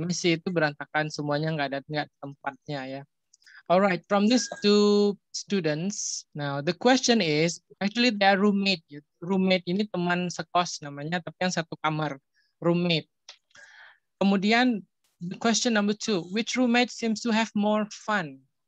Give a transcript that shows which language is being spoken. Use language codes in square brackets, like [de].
[id] Messy itu berantakan, semuanya nggak tempatnya ya. [en] Alright, from these two students, now the question is, actually they are roommate. [id] Roommate ini teman sekos namanya, tapi yang satu kamar. [en] Roommate. [id] Kemudian, [en] the question number two, which roommate seems to have more fun?